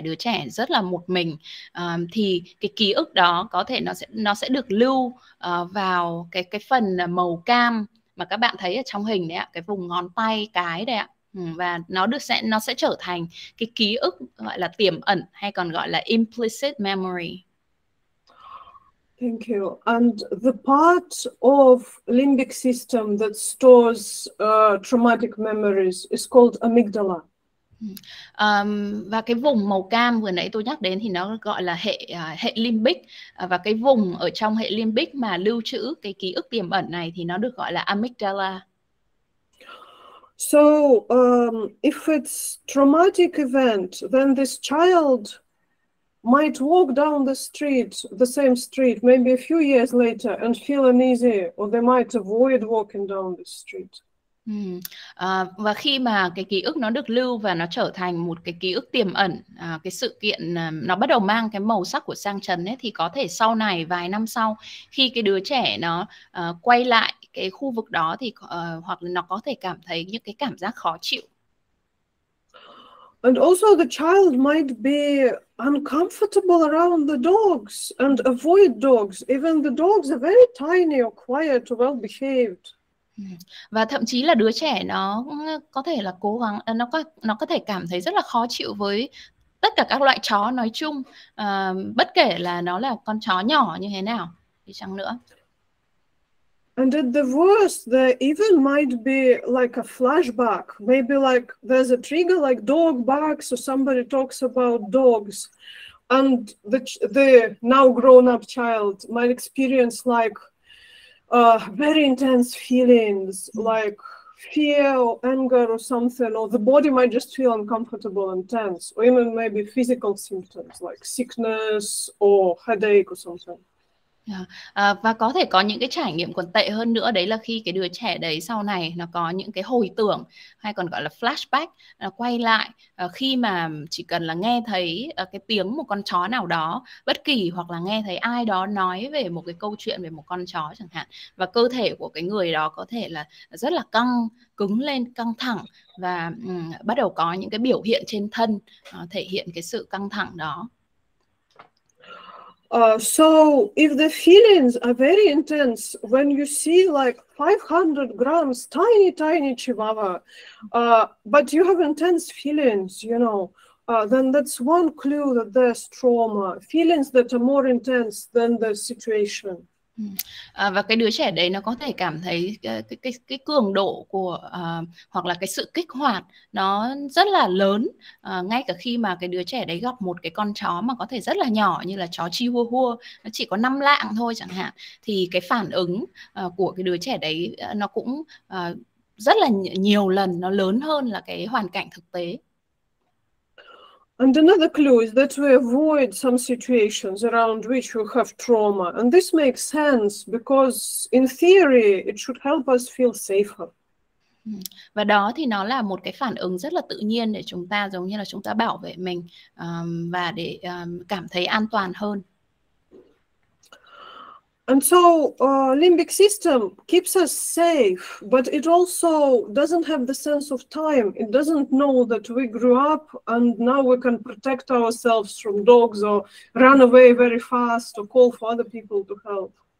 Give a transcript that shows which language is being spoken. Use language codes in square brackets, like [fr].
[vi] Đứa trẻ rất là một mình, thì cái ký ức đó có thể nó sẽ được lưu vào cái phần màu cam mà các bạn thấy ở trong hình đấy ạ, cái vùng ngón tay cái đấy ạ. Và nó sẽ trở thành cái ký ức gọi là tiềm ẩn, hay còn gọi là implicit memory. [en] Thank you. And the part of limbic system that stores traumatic memories is called amygdala. [vi] Và cái vùng màu cam vừa nãy tôi nhắc đến thì nó gọi là hệ hệ limbic, và cái vùng ở trong hệ limbic mà lưu trữ cái ký ức tiềm ẩn này thì nó được gọi là amygdala. [en] So, if it's traumatic event, then this child might walk down the street, the same street, maybe a few years later and feel uneasy, or they might avoid walking down the street. [vi] Và khi mà cái ký ức nó được lưu và nó trở thành một cái ký ức tiềm ẩn, cái sự kiện nó bắt đầu mang cái màu sắc của sang chấn ấy, thì có thể sau này vài năm sau khi cái đứa trẻ nó quay lại cái khu vực đó thì hoặc là nó có thể cảm thấy những cái cảm giác khó chịu. [en] And also the child might be uncomfortable around the dogs and avoid dogs. Even the dogs are very tiny or quiet or well-behaved. [vi] Và thậm chí là đứa trẻ nó có thể là cố gắng, nó có thể cảm thấy rất là khó chịu với tất cả các loại chó nói chung, bất kể là nó là con chó nhỏ như thế nào thì chăng nữa. [en] And at the worst, there even might be like a flashback. Maybe like there's a trigger, like dog barks or somebody talks about dogs, and the now grown up child might experience like very intense feelings, like fear or anger or something, or the body might just feel uncomfortable and tense, or even maybe physical symptoms like sickness or headache or something. [vi] Và có thể có những cái trải nghiệm còn tệ hơn nữa, đấy là khi cái đứa trẻ đấy sau này nó có những cái hồi tưởng, hay còn gọi là flashback, nó quay lại khi mà chỉ cần là nghe thấy cái tiếng một con chó nào đó bất kỳ, hoặc là nghe thấy ai đó nói về một cái câu chuyện về một con chó chẳng hạn, và cơ thể của cái người đó có thể là rất là căng cứng lên, căng thẳng, và bắt đầu có những cái biểu hiện trên thân thể hiện cái sự căng thẳng đó. [en] So if the feelings are very intense, when you see like 500 grams, tiny, tiny chihuahua, but you have intense feelings, you know, Then that's one clue that there's trauma, feelings that are more intense than the situation. [vi] Và cái đứa trẻ đấy nó có thể cảm thấy cái cường độ của hoặc là cái sự kích hoạt nó rất là lớn, ngay cả khi mà cái đứa trẻ đấy gặp một cái con chó mà có thể rất là nhỏ như là chó Chihuahua, nó chỉ có 5 lạng thôi chẳng hạn, thì cái phản ứng của cái đứa trẻ đấy nó cũng rất là nhiều lần nó lớn hơn là cái hoàn cảnh thực tế. [en] And another clue is that we avoid some situations around which we have trauma. And this makes sense because in theory it should help us feel safer. [vi] Và đó thì nó là một cái phản ứng rất là tự nhiên để chúng ta giống như là chúng ta bảo vệ mình và để cảm thấy an toàn hơn. [en] And so limbic system keeps us safe, but it also doesn't have the sense of time. It doesn't know that we grew up and now we can protect ourselves from dogs or run away very fast or call for other people to help.